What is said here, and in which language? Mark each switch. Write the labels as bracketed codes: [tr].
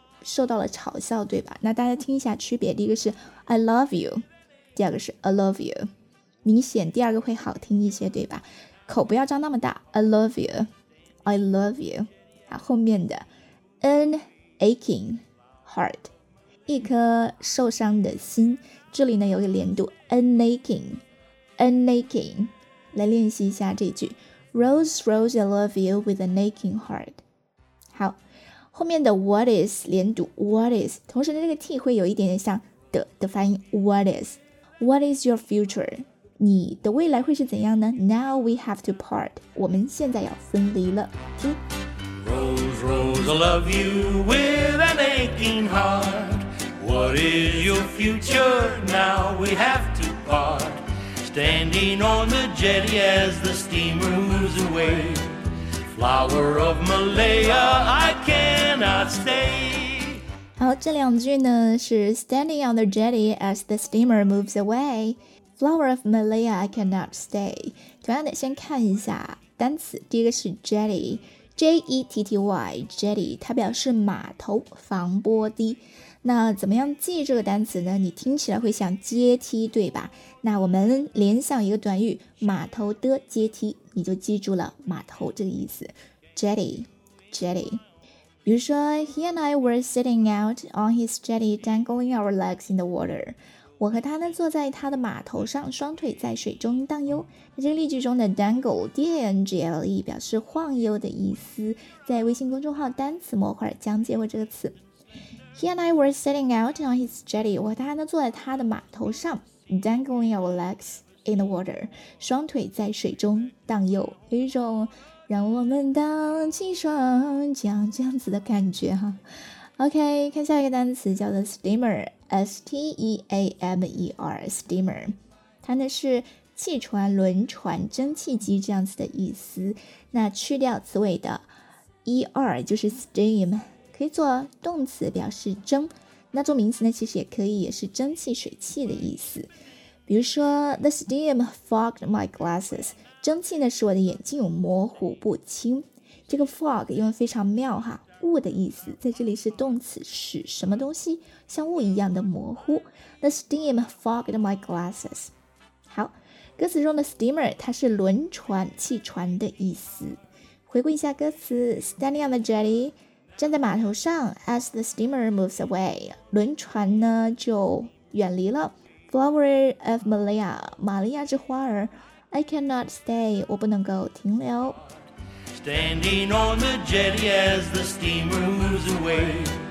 [zh] 受到了嘲笑，对吧？那大家听一下区别，第一个是 [en] I love you， [zh] 第二个是 I love you，明显第二个会好听一些，对吧？口不要张那么大。 [en] I love you, I love you。 [zh] 好，后面的 [en] an aching heart， [zh] 一颗受伤的心。这里呢有个连读 [en] an aching, an aching。 [zh] 来练习一下这句 [en] ，Rose, Rose, I love you with an aching heart。 [zh] 好，后面的 [en] what is [zh] 连读 what is， 同时呢这个 t 会有一点点像的发音 what is。 [en] What is your future？ [zh] 你的未来会是怎样呢 ？ [en] Now we have to part， [zh] 我们现在要分离了。听。 [en] Rose, Rose, I love you with an aching heart. What is your future? Now we have to part. Standing on the jetty as the steamer moves away. Flower of Malaya, I cannot stay. [zh] 好，这两句呢是 [en] Standing on the jetty as the steamer moves away。 Flower of Malaya, I cannot stay。 [zh] 同样的，先看一下单词，第一个是 jetty，J-E-T-T-Y，jetty， 它表示码头、防波堤。那怎么样记这个单词呢？你听起来会像阶梯，对吧？那我们联想一个短语，码头的阶梯，你就记住了码头这个意思 ，jetty，jetty。 [en] 比如说 ，He and I were sitting out on his jetty, dangling our legs in the water。 [zh] 我和他呢坐在他的码头上，双腿在水中荡悠。这个例句中的 dangle D-A-N-G-L-E 表示晃悠的意思。在微信公众号单词模块讲解过这个词。 [en] He and I were sitting out on his jetty。 [zh] 我和他呢坐在他的码头上 ， [en] dangling our legs in the water， [zh] 双腿在水中荡悠，有一种让我们荡起双桨这样子的感觉哈。 OK， 看下一个单词叫做 steamer。S-T-E-A-M-E-R steamer， 它呢是汽船、轮船、蒸汽机这样子的意思。那去掉词尾的 er 就是 steam， 可以做动词表示蒸。那做名词呢，其实也可以，也是蒸汽、水汽的意思。比如说 ， [en] the steam fogged my glasses， [zh] 蒸汽呢使我的眼镜模糊不清。这个 fog 用的非常妙哈。雾的意思在这里是动词，使什么东西像雾一样的模糊。 [en] The steam fogged my glasses。 [zh] 好，歌词中的 steamer 它是轮船、汽船的意思。回顾一下歌词 ， [en] Standing on the jetty， [zh] 站在码头上 ， [en] as the steamer moves away， [zh] 轮船呢就远离了。 [en] Flower of Malaya， [zh] 玛利亚之花儿。 [en] I cannot stay， [zh] 我不能够停留。 [en] Standing on the jetty as the steamer moves away.